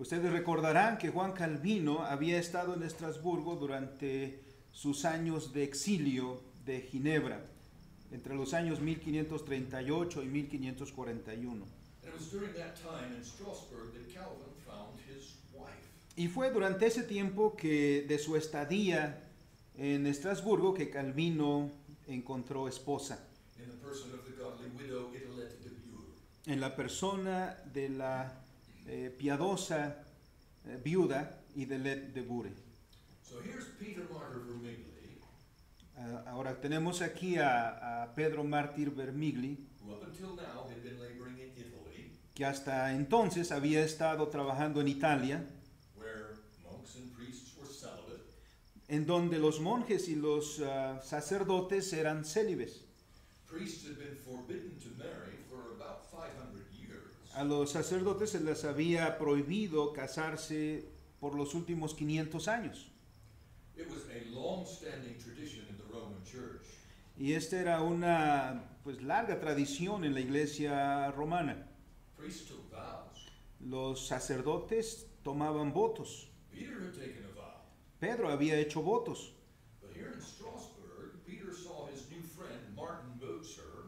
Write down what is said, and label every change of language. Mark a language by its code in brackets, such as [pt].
[es] Ustedes recordarán que Juan Calvino había estado en Estrasburgo durante sus años de exilio de Ginebra, entre los años 1538 y 1541. [en] And it was during that time in Strasbourg that Calvin found his wife. [es] Y fue durante ese tiempo que de su estadía en Estrasburgo que Calvino encontró esposa. [en] In the person of the godly widow Idalette de Bure. [es] En la persona de la piadosa viuda Idalette de Bure. [en] So here's Peter Martyr Vermigli. [es] Ahora tenemos aquí a Pedro Mártir Vermigli. [en] Who up until now had been laboring in Italy. [es] Que hasta entonces había estado trabajando en Italia. [en] Where monks and priests were celibate. [es] En donde los monjes y los sacerdotes eran célibes. [en] Priests had been forbidden to marry for about 500 years. [es] A los sacerdotes se les había prohibido casarse por los últimos 500 años. [en] It was a long-standing tradition in the Roman Church. [es] Y esta era una pues larga tradición en la iglesia romana. [en] Priests took vows. [es] Los sacerdotes tomaban votos. [en] Peter had taken a vow. [es] Pedro había hecho votos. [en] But here in Strasbourg, Peter saw his new friend Martin Bucer.